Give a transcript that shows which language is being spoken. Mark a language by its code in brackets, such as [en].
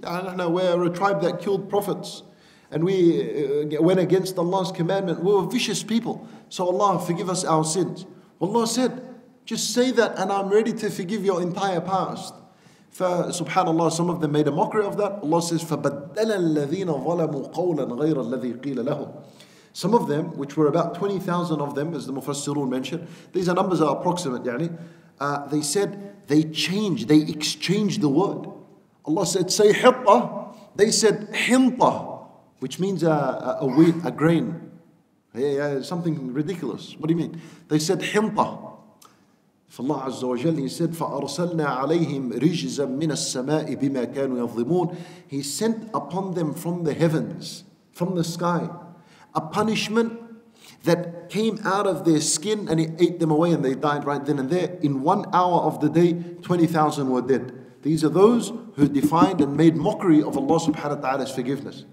[en] I don't know, we're a tribe that killed prophets. And we went against Allah's commandment. We were vicious people. So Allah, forgive us our sins. Allah said, just say that and I'm ready to forgive your entire past. Subhanallah, some of them made a mockery of that. Allah says, [ar] فَبَدَّلَ الَّذِينَ ظَلَمُوا قَوْلًا غَيْرَ الَّذِي قِيلَ لَهُمْ. [en] Some of them, which were about 20,000 of them, as the Mufassirun mentioned, these are numbers are approximate, يعني, they said, they exchanged the word. Allah said, say hitta. They said hinta, which means a grain. Yeah, something ridiculous. What do you mean? They said hinta. [ar] فالله عز وجل, [en] he said, [ar] فَأَرْسَلْنَا عَلَيْهِمْ رِجْزًا مِّنَ السَّمَاءِ بِمَا كَانُوا يَظْلِمُونَ. [en] He sent upon them from the heavens, from the sky, a punishment that came out of their skin and it ate them away and they died right then and there. In 1 hour of the day, 20,000 were dead. These are those who defied and made mockery of Allah subhanahu wa ta'ala's forgiveness.